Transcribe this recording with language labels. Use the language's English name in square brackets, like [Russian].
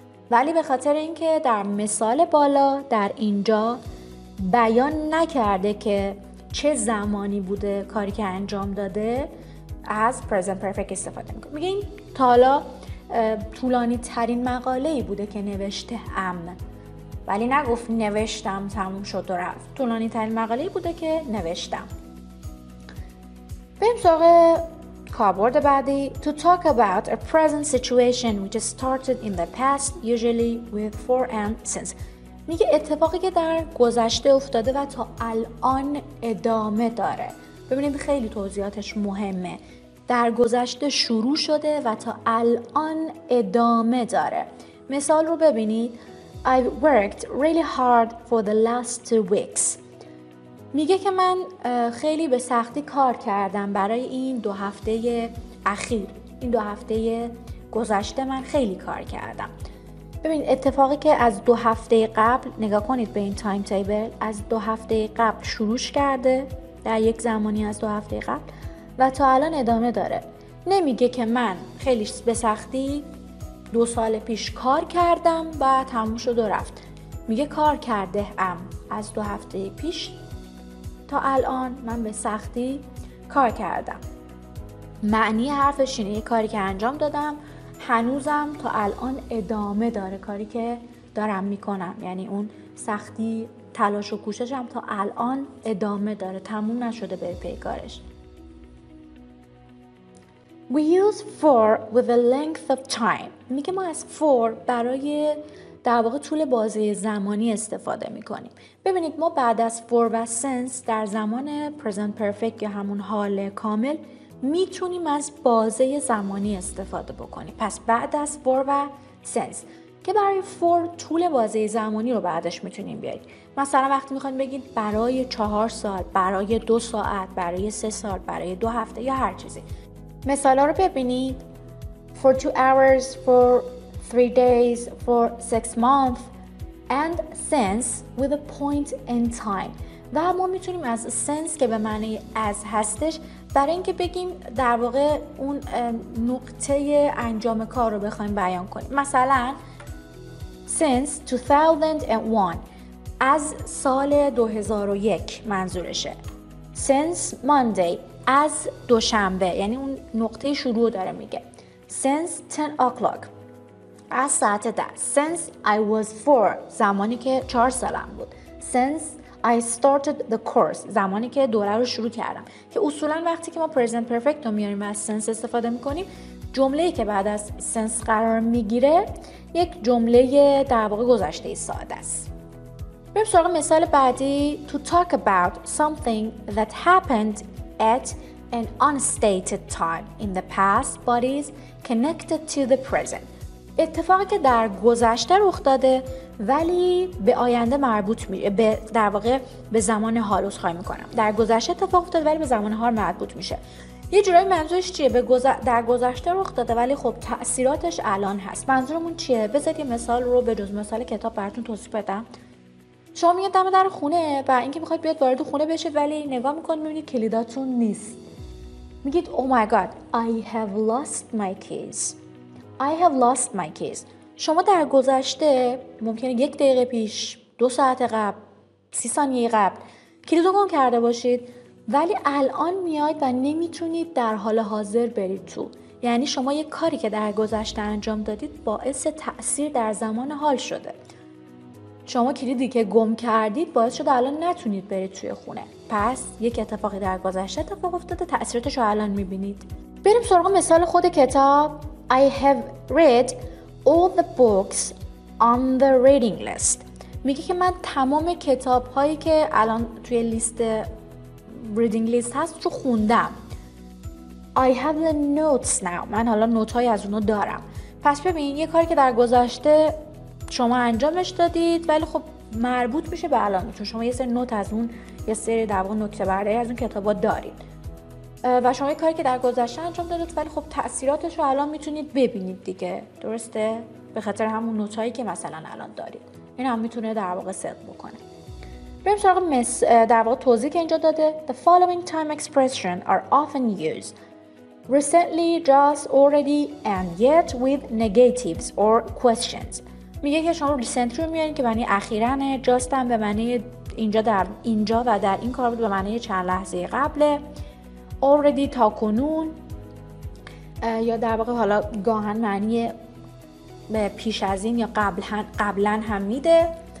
[Persian] ولی به خاطر اینکه در مثال بالا در اینجا بیان نکرده که چه زمانی بوده کاری که انجام داده، از present perfect استفاده میکنه. میگه این تا حالا طولانی ترین مقاله‌ای بوده که نوشته ام، ولی نگفت نوشتم تموم شد و رفت. طولانی ترین مقاله‌ای بوده که نوشتم. بریم سراغ کاربرد بعدی. [English] To talk about a present situation which started in the past usually with for and since. [Persian] میگه اتفاقی که در گذشته افتاده و تا الان ادامه داره. ببینید خیلی توضیحاتش مهمه. در گذشته شروع شده و تا الان ادامه داره. مثال رو ببینید. [English] I've worked really hard for the last 2 weeks. [Persian] میگه که من خیلی به سختی کار کردم برای این 2 هفته اخیر. این 2 هفته گذشته من خیلی کار کردم. ببین اتفاقی که از 2 هفته قبل، نگاه کنید به این تایم تیبل، از 2 هفته قبل شروعش کرده در یک زمانی از 2 هفته قبل و تا الان ادامه داره. نمیگه که من خیلی به سختی 2 سال پیش کار کردم و تموم شد و رفت. میگه کار کرده ام، از 2 هفته پیش تا الان من به سختی کار کردم. معنی حرفش اینه کاری که انجام دادم هنوزم تا الان ادامه داره، کاری که دارم میکنم، یعنی اون سختی تلاش و کوششم تا الان ادامه داره، تموم نشده به پیکارش. [English] We use for with a length of time. [Persian] میگه ما از for برای در واقع طول بازه زمانی استفاده میکنیم. ببینید ما بعد از for و since در زمان present perfect یا همون حال کامل میتونیم از بازه زمانی استفاده بکنیم. پس بعد از for و since که برای فور طول بازه زمانی رو بعدش میتونیم بیاریم. مثلا وقتی میخواین بگید برای 4 سال، برای 2 ساعت، برای 3 سال، برای 2 هفته یا هر چیزی. مثالا رو ببینید. [English] For 2 hours, for 3 days, for 6 months, and since with a point in time. [Persian] و ما میتونیم از since که به معنی از هستش، برای اینکه بگیم در واقع اون نقطه انجام کار رو بخوایم بیان کنیم. مثلا [English] since 2001، [Persian] از سال 2001 منظورشه. [English] Since Monday، [Persian] از دوشنبه، یعنی اون نقطه شروع داره میگه. [English] Since 10 o'clock، [Persian] از ساعت 10. [English] Since I was 4، [Persian] زمانی که 4 سالم بود. [English] Since I started the course، [Persian] زمانی که دوره رو شروع کردم. که اصولا وقتی که ما present perfect رو میاریم و از since استفاده میکنیم، جمله‌ای که بعد از since قرار میگیره یک جمله در واقع گذشته ساده است. بریم سراغ مثال بعدی. [English] To talk about something that happened at an unstated time in the past but is connected to the present. [Persian] اتفاقی که در گذشته رخ داده ولی به آینده مربوط میشه، به در واقع به زمان حال رو خواهی میکنم. در گذشته اتفاق افتاده ولی به زمان حال مربوط میشه. یه جورایی منظورش چیه؟ به در گذشته رخ داده ولی خب تأثیراتش الان هست. منظورمون چیه؟ بذارید یه مثال رو به جز مثال کتاب براتون توضیح بدم. شما میاد دم در خونه و اینکه میخواد بیاد وارد خونه بشید ولی نگاه میکنید میبینید کلیداتون نیست. میگید [English] Oh my God, I have lost my keys. I have lost my keys. [Persian] شما در گذشته ممکنه 1 دقیقه پیش، 2 ساعت قبل، 30 ثانیه قبل کلیدو گم کرده باشید ولی الان میاید و نمیتونید در حال حاضر برید تو. یعنی شما یک کاری که در گذشته انجام دادید باعث تأثیر در زمان حال شده. شما کلیدی که گم کردید باعث شده الان نتونید برید توی خونه. پس یک اتفاقی در گذشته اتفاق افتاده، تأثیرتش رو الان میبینید. بریم سراغ مثال خود کتاب. [English] I have read all the books on the reading list. [Persian] میگه که من تمام کتاب هایی که الان توی لیست reading list هست رو خوندم. [English] I have the notes now. [Persian] من حالا نوت های از اونو دارم. پس ببین یه کاری که در گذشته شما انجامش دادید ولی خب مربوط میشه به الان، چون شما یه سری نوت از اون، یه سری در واقع نکته برداری از اون کتاب ها دارید و شما یک کاری که در گذشته انجام دادید ولی خب تأثیراتش رو الان میتونید ببینید دیگه، درسته؟ به خاطر همون نوتایی که مثلا الان دارید. این هم میتونه در واقع صدق بکنه. بریم سراغ در واقع توضیح که اینجا داده. [English] The following time expression are often used: recently, just, already, and yet with negatives or questions. [Persian] میگه که شما recent رو میارید که معنی اخیرنه، just هم به معنی اینجا، در اینجا و در این کار بود به معنی چند لحظه قبله، already تا کنون، یا در واقع حالا گاهن معنی پیش از این یا قبلن هم میده.